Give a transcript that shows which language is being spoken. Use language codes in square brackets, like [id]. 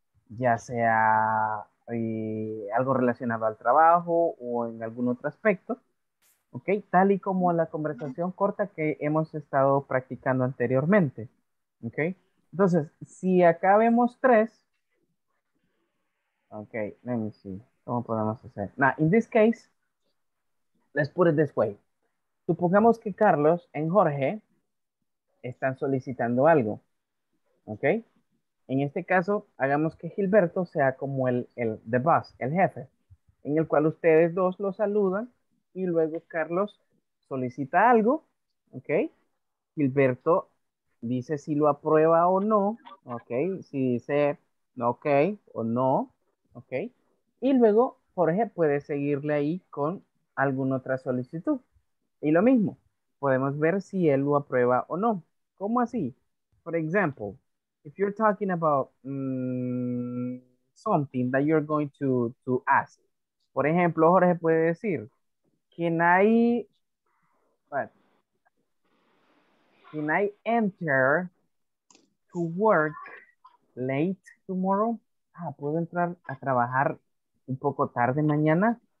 [es] Ya sea algo relacionado al trabajo o en algún otro aspecto, ¿ok? Tal y como la conversación corta que hemos estado practicando anteriormente, ¿ok? Entonces, si acá vemos tres, ok, [en] let me see, [es] ¿cómo podemos hacer? [en] Now, in this case, let's put it this way. [es] Supongamos que Carlos y Jorge están solicitando algo, ¿ok? En este caso, hagamos que Gilberto sea como [en] the boss, [es] el jefe, en el cual ustedes dos lo saludan y luego Carlos solicita algo, ¿ok? Gilberto dice si lo aprueba o no, ¿ok? Si dice no, ok, o no, ¿ok? Y luego Jorge puede seguirle ahí con alguna otra solicitud. Y lo mismo, podemos ver si él lo aprueba o no. ¿Cómo así? Por ejemplo, [en] if you're talking about something that you're going to ask. [es] Por ejemplo, Jorge puede decir, [en] can I enter to work late tomorrow? [es] Ah, ¿puedo entrar a trabajar un poco tarde mañana?